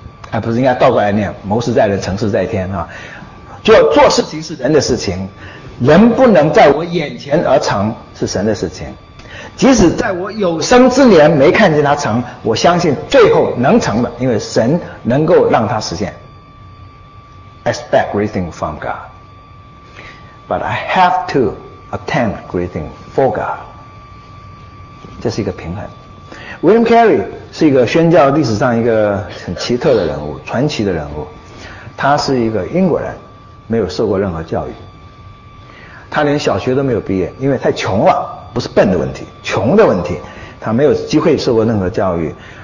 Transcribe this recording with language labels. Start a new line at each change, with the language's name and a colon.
Chinese: 哎，不是，应该倒过来念，谋事在人，成事在天啊。就做事情是人的事情，人不能在我眼前而成是神的事情，即使在我有生之年没看见他成，我相信最后能成的，因为神能够让他实现。
English: Expect great things from God, but I have to attend great things for God.
Chinese: 这是一个平衡。 William Carey 是一个宣教历史上一个很奇特的人物，传奇的人物。他是一个英国人，没有受过任何教育，他连小学都没有毕业，因为太穷了，不是笨的问题，穷的问题，他没有机会受过任何教育。